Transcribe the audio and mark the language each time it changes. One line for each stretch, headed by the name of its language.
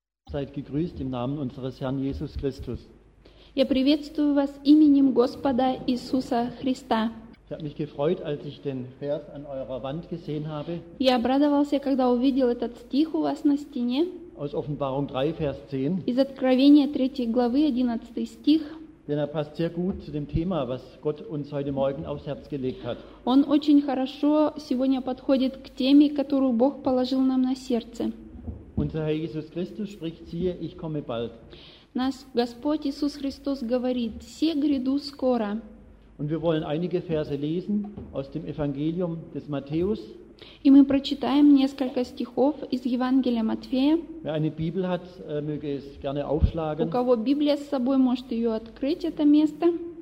German: Seid gegrüßt im Namen unseres Herrn Jesus Christus.
Russian: Я приветствую вас именем Господа Иисуса Христа.
German: Ich habe mich gefreut, als ich den Vers an eurer Wand gesehen habe.
Russian: Я обрадовался, когда увидел этот стих у вас на стене.
German: Aus Offenbarung 3, Vers 10.
Russian: Из Откровения 3 главы 11 стих.
German: Denn er passt sehr gut zu dem Thema, was Gott uns heute Morgen aufs Herz gelegt hat.
Russian: Он очень хорошо сегодня подходит к теме, которую Бог положил нам на сердце.
German: Unser Herr Jesus Christus spricht: Siehe, ich komme bald.
Russian: Нас Господь Иисус Христос говорит: Се гряду скоро.
German: Und wir wollen einige Verse lesen aus dem Evangelium des Matthäus.
Russian: И мы прочитаем несколько стихов из Евангелия Матфея.
German: Wer eine Bibel hat, möge es gerne aufschlagen.
Russian: У кого Библия с собой, может ее открыть это место.